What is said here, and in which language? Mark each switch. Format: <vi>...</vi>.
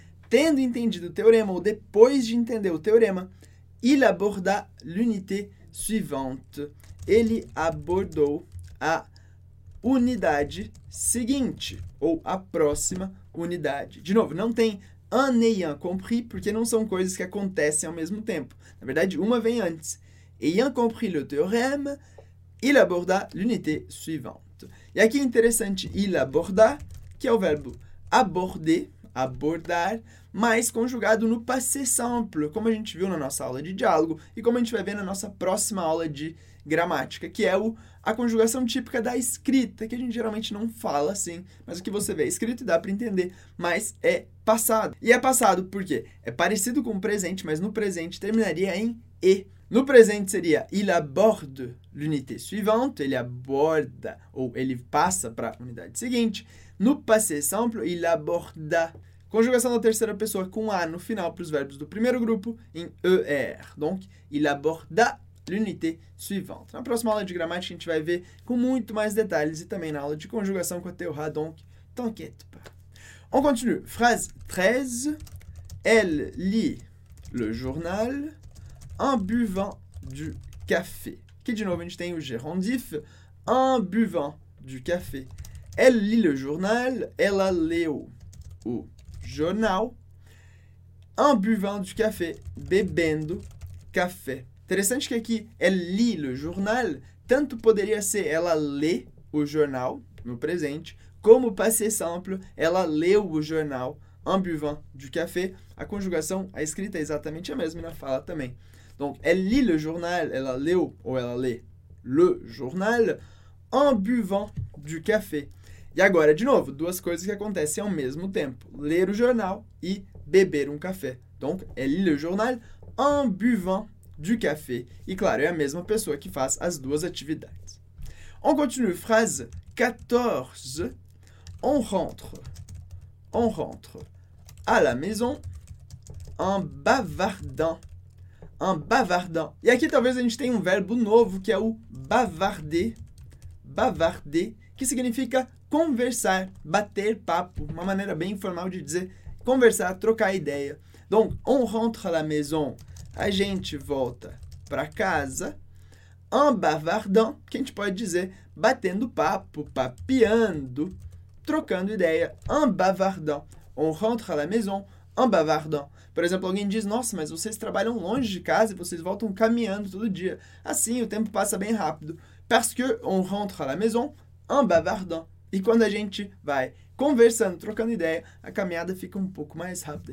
<pt>Tendo entendido o teorema, ou depois de entender o teorema,</pt> <fr>il aborda l'unité suivante.</fr> <pt>Ele abordou a unidade seguinte, ou a próxima unidade. De novo, não tem</pt> <fr>en ayant compris,</fr> <pt>porque não são coisas que acontecem ao mesmo tempo. Na verdade, uma vem antes.</pt> <fr>Ayant compris le théorème, il aborda l'unité suivante.</fr> <pt>E aqui é interessante,</pt> <fr>il aborda,</fr> <pt>que é o verbo aborder, abordar, mas conjugado no passé simple, como a gente viu na nossa aula de diálogo e como a gente vai ver na nossa próxima aula de gramática, que é a conjugação típica da escrita, que a gente geralmente não fala assim, mas o que você vê é escrito e dá para entender, mas é passado. E é passado por quê? É parecido com o presente, mas no presente terminaria em E. No presente seria</pt> <fr>il aborde l'unité suivante,</fr> <pt>ele aborda ou ele passa para a unidade seguinte. No passé simple,</pt> <fr>il aborda.</fr> <pt>Conjugação da terceira pessoa com A no final para os verbos do primeiro grupo em ER.</pt> <fr>Donc, il aborda l'unité suivante.</fr> <pt>Na próxima aula de gramática, a gente vai ver com muito mais detalhes e também na aula de conjugação com a Théorie. Donc, t'inquiète pas. On continue. Phrase 13. Elle lit le journal en buvant du café. Aqui, de novo, a gente tem o gerundif.</pt> <fr>En buvant du café. Elle lit le journal.</fr> <pt>Ela leu o jornal.</pt> <fr>En buvant du café.</fr> <pt>Bebendo café. Interessante que aqui,</pt> <fr>elle lit le journal.</fr> <pt>Tanto poderia ser ela lê o jornal, no presente, como passé simple, ela leu o jornal.</pt> <fr>En buvant du café.</fr> <pt>A conjugação, a escrita é exatamente a mesma e na fala também.</pt> <fr>Donc, elle lit le journal,</fr> <pt>ela leu, ou ela lê</pt> <fr>le journal, en buvant du café.</fr> <pt>E agora, de novo, duas coisas que acontecem ao mesmo tempo. Ler o jornal e beber um café.</pt> <fr>Donc, elle lit le journal en buvant du café.</fr> <pt>E, claro, é a mesma pessoa que faz as duas atividades.</pt> <fr>On continue, phrase 14. On rentre à la maison en bavardant. En bavardant.</fr> <pt>E aqui talvez a gente tenha um verbo novo, que é o bavarder. Bavarder, que significa conversar, bater papo. Uma maneira bem informal de dizer conversar, trocar ideia.</pt> <fr>Donc, on rentre à la maison.</fr> <pt>A gente volta para casa.</pt> <fr>En bavardant,</fr> <pt>que a gente pode dizer batendo papo, papiando, trocando ideia. En bavardant.</pt> <fr>On rentre à la maison. En bavardant.</fr> <pt>Por exemplo, alguém diz, nossa, mas vocês trabalham longe de casa e vocês voltam caminhando todo dia. Assim, o tempo passa bem rápido.</pt> <fr>Parce que on rentre à la maison en bavardant.</fr> <pt>E quando a gente vai conversando, trocando ideia, a caminhada fica um pouco mais rápida.</pt>